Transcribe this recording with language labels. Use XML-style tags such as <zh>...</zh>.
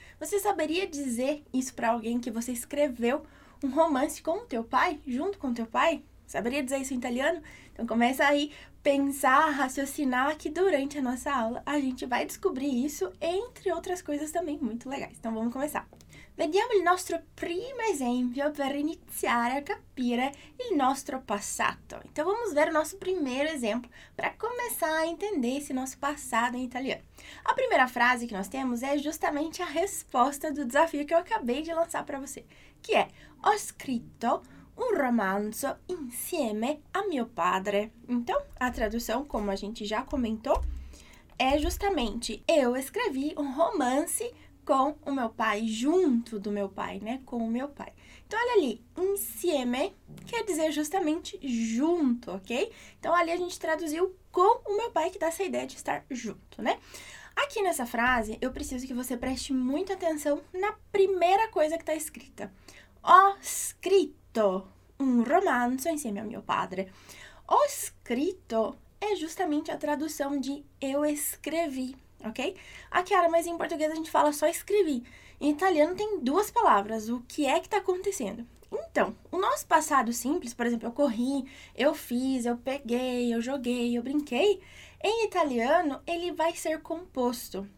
<pt>Você saberia dizer isso para alguém que você escreveu um romance com o teu pai, junto com o teu pai? Saberia dizer isso em italiano? Então começa aí pensar, raciocinar que durante a nossa aula a gente vai descobrir isso entre outras coisas também muito legais. Então vamos começar.</pt> <it>Vediamo il nostro primo esempio per iniziare a capire il nostro passato.</it> <pt>Então vamos ver o nosso primeiro esempio para começar a entender esse nosso passado em italiano. A primeira frase que nós temos é justamente a resposta do desafio que eu acabei de lançar para você, que é:</pt> <it>ho scritto un romanzo insieme a mio padre.</it> <pt>Então, a tradução, como a gente já comentou, é justamente: eu escrevi um romance com o meu pai, junto do meu pai, né? Com o meu pai. Então, olha ali, insieme quer dizer justamente junto, ok? Então, ali a gente traduziu com o meu pai, que dá essa ideia de estar junto, né? Aqui nessa frase, eu preciso que você preste muita atenção na primeira coisa que está escrita.</pt> <it>Ho scritto un romanzo insieme a mio padre.</it> <pt>Ho scritto é justamente a tradução de eu escrevi. Ok? Aqui, Chiara, mas em português a gente fala só escrevi. Em italiano tem duas palavras, o que é que está acontecendo? Então, o nosso passado simples, por exemplo, eu corri, eu fiz, eu peguei, eu joguei, eu brinquei, em italiano ele vai ser composto.</pt>